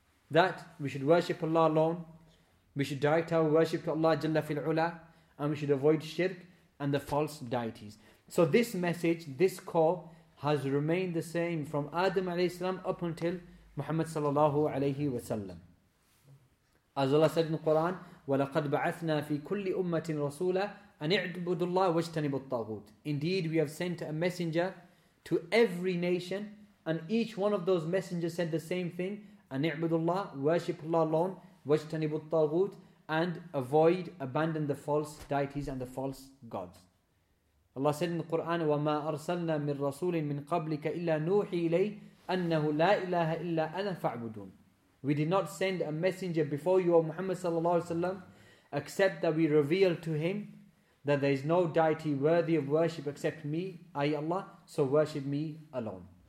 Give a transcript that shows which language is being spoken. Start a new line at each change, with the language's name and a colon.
English: That we should worship Allah alone. We should direct our worship to Allah Jalla fil Ula. And we should avoid shirk and the false deities. So this message, this call, has remained the same from Adam alayhi salam up until Muhammad sallallahu alayhi wa sallam. As Allah said in the Quran,
Arabic: وَلَقَدْ بَعَثْنَا فِي كُلِّ أُمَّةٍ رَسُولًا أَنِ اعْبُدُ اللَّهَ وَاجْتَنِبُ الطَّاغُوتِ.
English: Indeed, we have sent a messenger to every nation, and each one of those messengers said the same thing,
Arabic: أَنِ اعْبُدُ اللَّهَ,
English: worship Allah alone,
Arabic: وَاجْتَنِبُ الطَّاغُوتِ,
English: and avoid, abandon the false deities and the false gods. Allah said in the Quran,
Arabic: وَمَا أَرْسَلْنَا مِنْ رَسُولٍ مِنْ قَبْلِكَ إِلَّا نُوحِي إِلَيْهِ أَنَّهُ لَا إِلَهَ إِلَّا أَنَا فَعْبُدُونَ.
English: We did not send a messenger before you, O Muhammad sallallahu alaihi wasallam, except that we revealed to him that there is no deity worthy of worship except me, I Allah, so worship me alone.